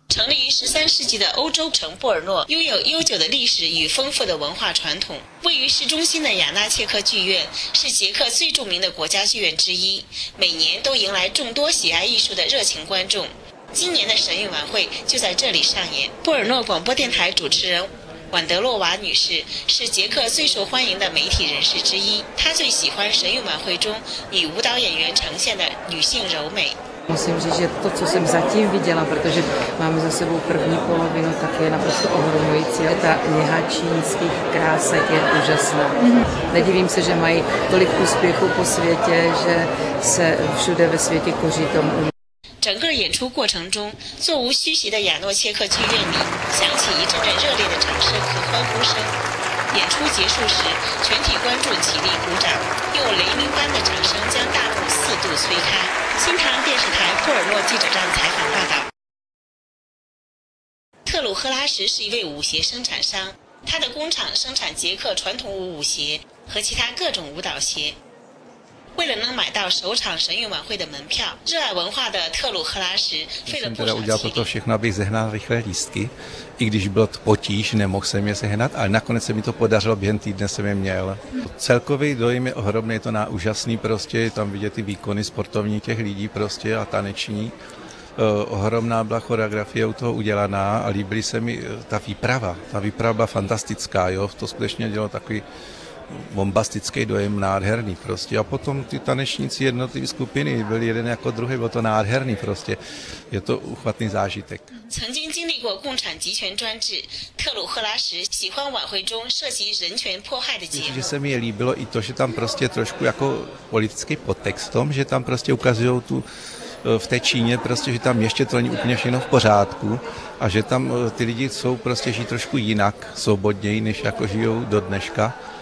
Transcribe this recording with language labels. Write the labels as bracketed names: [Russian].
[Chinese] 成立于13世纪的欧洲城波尔诺拥有悠久的历史与丰富的文化传统，位于市中心的雅纳切克剧院是捷克最著名的国家剧院之一，每年都迎来众多喜爱艺术的热情观众。今年的神韵晚会就在这里上演。波尔诺广播电台主持人婉德洛娃女士是捷克最受欢迎的媒体人士之一，她最喜欢神韵晚会中以舞蹈演员呈现的女性柔美。 [Czech] Musím říct, že to, co jsem zatím viděla, protože máme za sebou první polovinu, tak je naprosto ohromující. Ta něha čínských krásek je úžasná. Nedivím se, že mají tolik úspěchu po světě, že se všude ve světě koří tomu. [Chinese] 整个演出过程中，座无虚席的雅诺切克剧院里响起一阵阵热烈的掌声和欢呼声。演出结束时，全体观众起立鼓掌，用雷鸣般的掌声将大鼓四度催开。新唐电视台库尔诺记者站采访报道。特鲁赫拉什是一位舞鞋生产商，他的工厂生产捷克传统舞鞋和其他各种舞蹈鞋。为了能买到首场神韵晚会的门票，热爱文化的特鲁赫拉什费了不少心力。 [Czech] Udělal pro to všechno, abych sehnal rychle lístky, i když bylo to potíž, nemohl jsem je sehnat, ale nakonec se mi to podařilo, během týdne jsem je měl. Celkový dojem je ohromný, je to na úžasný prostě, je tam vidět ty výkony sportovní těch lidí prostě a taneční. Ohromná byla choreografie u toho udělaná a líbily se mi ta výprava byla fantastická, jo, to skutečně dělalo takový bombastický dojem, nádherný prostě. A potom ty tanečníci jednotlivé skupiny byli jeden jako druhý, bylo to nádherný prostě. Je to uchvatný zážitek. [Chinese] 曾经经历过共产集权专制，特鲁赫拉什喜欢晚会中涉及人权迫害的节目。 [Czech] Že se mi líbilo i to, že tam prostě trošku jako politický podtext tom, že tam prostě ukazujou tu v té Číně prostě, že tam ještě to není úplně všechno v pořádku a že tam ty lidi jsou prostě žijí trošku jinak, svobodněji, než jako žijou do dneška.